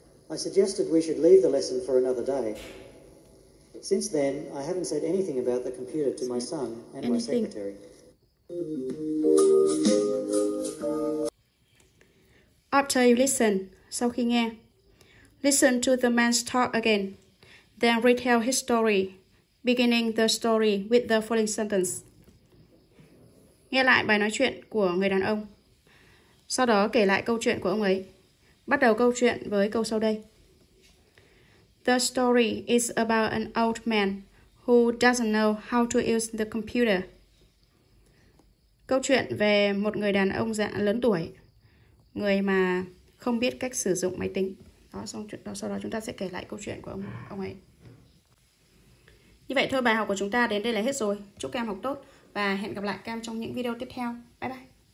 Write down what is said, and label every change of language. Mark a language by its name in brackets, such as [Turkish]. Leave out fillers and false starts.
[English] I suggested we should leave the lesson for another day. Since then, I haven't said anything about the computer to my son and my secretary. After you listen, [Vietnamese] sau khi nghe, [English] listen to the man's talk again, then retell his story, beginning the story with the following sentence. [Vietnamese] Nghe lại bài nói chuyện của người đàn ông, sau đó kể lại câu chuyện của ông ấy, bắt đầu câu chuyện với câu sau đây. [English] The story is about an old man who doesn't know how to use the computer. [Vietnamese] Câu chuyện về một người đàn ông dạng lớn tuổi, người mà không biết cách sử dụng máy tính. Đó, xong chuyện đó, sau đó chúng ta sẽ kể lại câu chuyện của ông ấy. Như vậy thôi, bài học của chúng ta đến đây là hết rồi. Chúc các em học tốt và hẹn gặp lại các em trong những video tiếp theo. Bye bye!